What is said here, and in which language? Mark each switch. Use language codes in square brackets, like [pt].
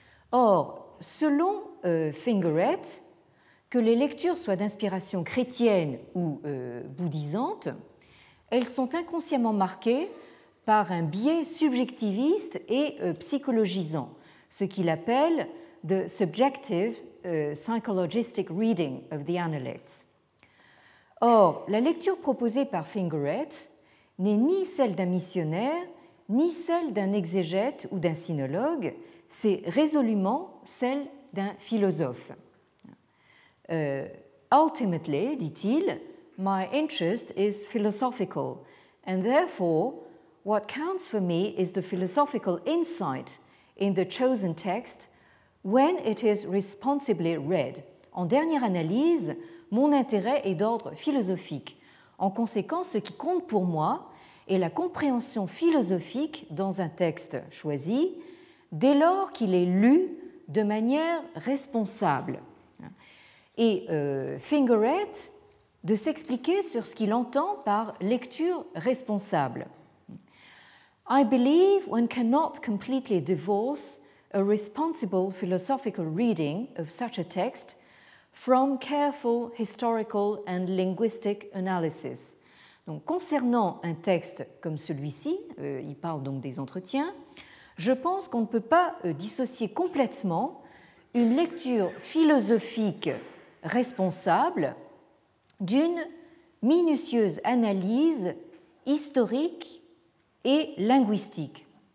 [fr] Or, selon Fingeret, que les lectures soient d'inspiration chrétienne ou bouddhisante, elles sont inconsciemment marquées par un biais subjectiviste et psychologisant, ce qu'il appelle « [en] the subjective psychologistic reading of the Annales ». [fr] Or, la lecture proposée par Fingeret n'est ni celle d'un missionnaire, ni celle d'un exégète ou d'un sinologue, c'est résolument celle d'un philosophe. [en] Ultimately, [fr] dit-il, [en] my interest is philosophical, and therefore, what counts for me is the philosophical insight in the chosen text when it is responsibly read. [fr] En dernière analyse, mon intérêt est d'ordre philosophique. En conséquence, ce qui compte pour moi est la compréhension philosophique dans un texte choisi, dès lors qu'il est lu de manière responsable. Et Fingeret de s'expliquer sur ce qu'il entend par lecture responsable. [en] I believe one cannot completely divorce a responsible philosophical reading of such a text from careful historical and linguistic analysis. [fr] Donc, concernant un texte comme celui-ci, il parle donc des entretiens, je pense qu'on ne peut pas dissocier complètement une lecture philosophique responsable d'une minutieuse analyse historique et linguistique.